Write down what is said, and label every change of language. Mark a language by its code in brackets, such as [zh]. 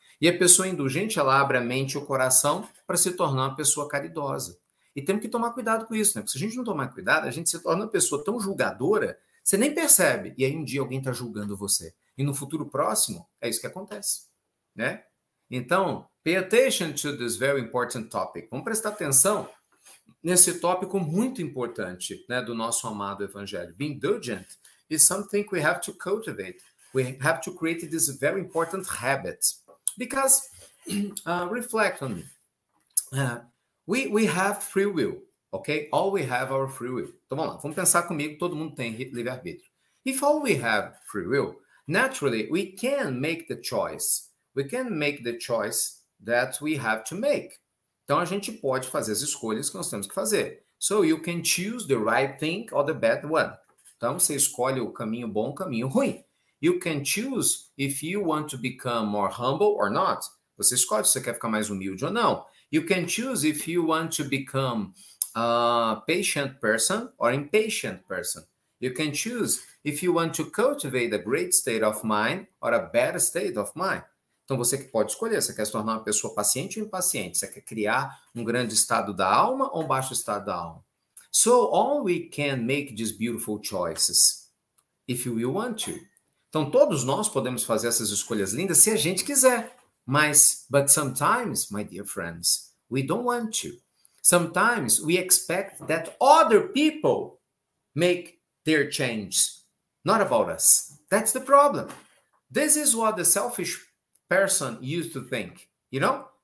[pt] E a pessoa indulgente, ela abre a mente e o coração para se tornar uma pessoa caridosa. E temos que tomar cuidado com isso, né? Porque se a gente não tomar cuidado, a gente se torna uma pessoa tão julgadora, você nem percebe. E aí um dia alguém está julgando você. E no futuro próximo, é isso que acontece, né? Então, [en] pay attention to this very important topic. [pt] Vamos prestar atenção nesse tópico muito importante, né, do nosso amado evangelho. [en] Being indulgent is something we have to cultivate. We have to create this very important habit. Because, reflect on me. We have free will, okay? All we have are free will. [pt] Então vamos lá, vamos pensar comigo, todo mundo tem livre-arbítrio. [en] If all we have free will, naturally, we can make the choice. We can make the choice that we have to make. [pt] Então a gente pode fazer as escolhas que nós temos que fazer. [en] So you can choose the right thing or the bad one. [pt] Então você escolhe o caminho bom, o caminho ruim. [en] You can choose if you want to become more humble or not. [pt] Você escolhe se você quer ficar mais humilde ou não. [en] You can choose if you want to become a patient person or impatient person. You can choose if you want to cultivate a great state of mind or a bad state of mind. [pt] Então, você que pode escolher. Você quer se tornar uma pessoa paciente ou impaciente? Você quer criar um grande estado da alma ou um baixo estado da alma? [en] So, all we can make these beautiful choices, if we want to. [pt] Então, todos nós podemos fazer essas escolhas lindas se a gente quiser. [en] But sometimes, my dear friends, we don't want to. Sometimes we expect that other people make their change, not about us. That's the problem. This is what the selfish person used to think, you know?